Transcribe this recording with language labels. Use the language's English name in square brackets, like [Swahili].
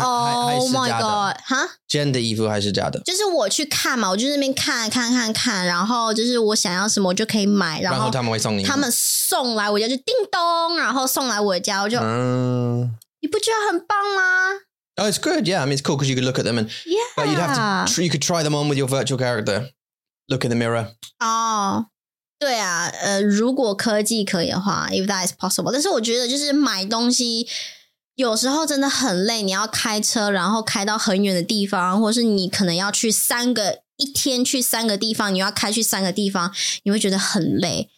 [English] oh my god, huh? [Chinese] gender衣服还是假的? 就是我去看嘛, 我就那边看看看看, 然后就是我想要什么就可以买, 然后他们会送你, 他们送来我家, 就叮咚, 然后送来我家，我就你不觉得很棒吗？ [English] Oh, it's good. Yeah, I mean, it's cool because you could look at them and but you'd have to, you could try them on with your virtual character. Look in the mirror. Oh, [Chinese] 对啊，如果科技可以的话 [English] if that is possible, [Chinese] 但是我觉得就是买东西有时候真的很累，你要开车然后开到很远的地方，或是你可能要去三个一天去三个地方，你要开去三个地方，你会觉得很累。